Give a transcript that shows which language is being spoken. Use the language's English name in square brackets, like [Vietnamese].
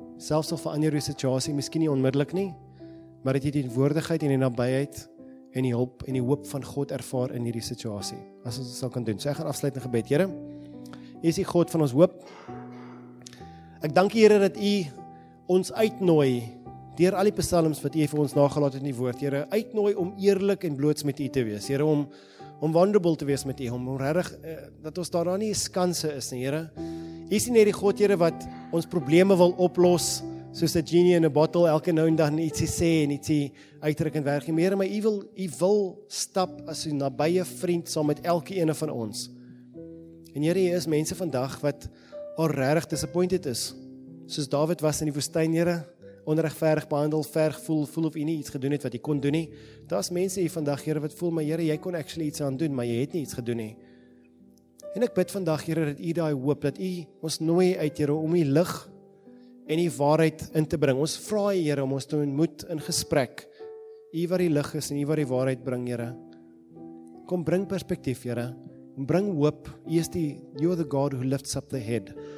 [Afrikaans] selfs al verander jou situasie miskien nie onmiddellik nie, maar dat jy die teenwoordigheid en die nabyheid en die hulp en die hoop van God ervaar in hierdie situasie. As ons dit sal kan doen. So ek gaan afsluit in gebed. Here, U is die God van ons hoop. Ek dank U, Here, dat U ons uitnooi deur al die psalms wat U vir ons nagelaat het in die woord. Here, uitnooi om eerlik en bloots met U te wees. Here, om vulnerable te wees met U, om regtig dat ons daar nie skanse is nie, Here. U is nie die God, Here, wat ons probleme wil oplos soos 'n genie in 'n bottle elke nou en dan ietsie sê en ietsie uitdrukkend werk nie. Here, maar U wil stap as 'n nabye vriend saam met elke een van ons. En Here, U is mense vandag wat al regtig disappointed is. Soos Dawid was in die woestyn, Here, onregverdig behandel, voel of U nie iets gedoen het wat U kon doen nie. Daar's mense hier vandag, Here, wat voel, maar Here, jy kon actually iets aan doen, maar jy het nie iets gedoen nie. En ek bid vandag, Here, dat U daai hoop, dat U ons nooi uit, Here, om U lig en U waarheid in te bring. Ons vra U, Here, om ons te ontmoet in gesprek. U wat die lig is en U wat die waarheid bring, Here. Kom bring perspektief, Here. Bring hoop. U is die [English] You are the God who lifts up the head.